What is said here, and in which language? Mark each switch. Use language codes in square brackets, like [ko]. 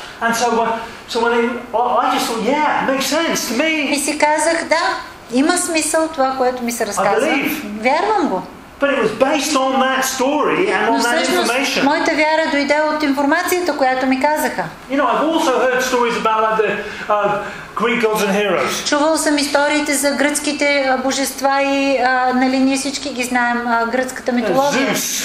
[en] And so when I just thought, yeah, makes sense to me. [bg] И си казах, да, има смисъл това, което ми се разказва. Вярвам го. [en] But it was based on that story and on that information. [bg] Моята вяра дойде от информацията, която ми казаха. [en] You know, I've also heard stories about like the Greek gods and heroes. [bg] Чувал съм историите за гръцките божества и нали ние всички ги знаем, гръцката митология.